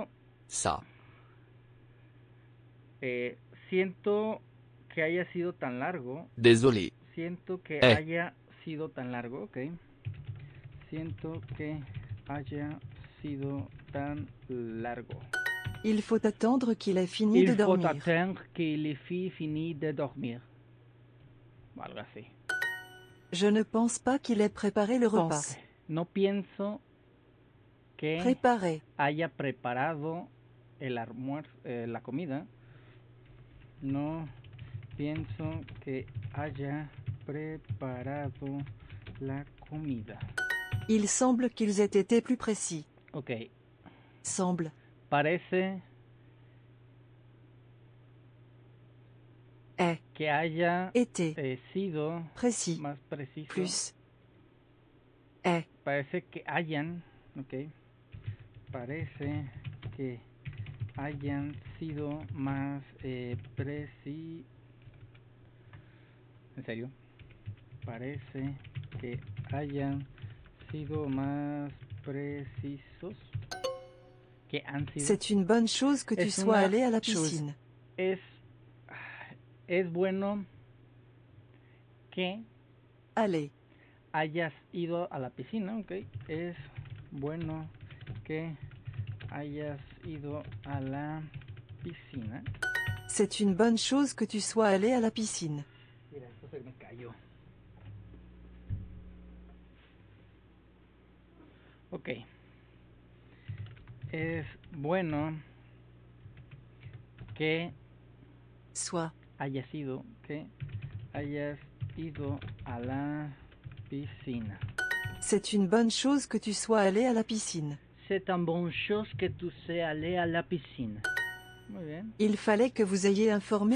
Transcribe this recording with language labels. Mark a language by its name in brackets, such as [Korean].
[French] long. Ça. [Spanish] Siento que haya sido tan largo. [French] Désolé. [Spanish] Siento que haya sido tan largo, ok. Siento que haya sido tan largo. [French] Il faut attendre qu'il ait fini Il de dormir. Il faut attendre qu'il ait fini de dormir. Voilà, c'est. Je ne pense pas qu'il ait préparé le repas. [Spanish] No pienso que Preparé. Haya preparado el almuerzo, la comida. No pienso que haya preparado la comida. [French] Il semble qu'ils aient été plus précis. Ok. Semble. [Spanish] Parece. [French] Est. [Spanish] Que haya [French] été [Spanish] sido [French] précis. [Spanish] Más preciso. [French] Plus. [Spanish] Parece que hayan, okay. Parece que hayan sido más ¿En serio? Parece que hayan sido más precisos. Que han sido. [French] C'est une bonne chose que tu sois allé à la piscine. [Spanish] Es bueno que [French] allez. [Spanish] Hayas ido a la piscina, ok. Es bueno que hayas ido a la piscina. [French] C'est une bonne chose que tu sois allé à la piscine. [Spanish] Mira, esto se me cayó. Ok. Es bueno que [French] soit [Spanish] hayas ido, que hayas ido a la piscina. [French] C'est une bonne chose que tu sois allé à la piscine. C'est une bonne chose que tu sois allé à la piscine. [Spanish] Muy bien. [French] Il fallait que vous ayez informé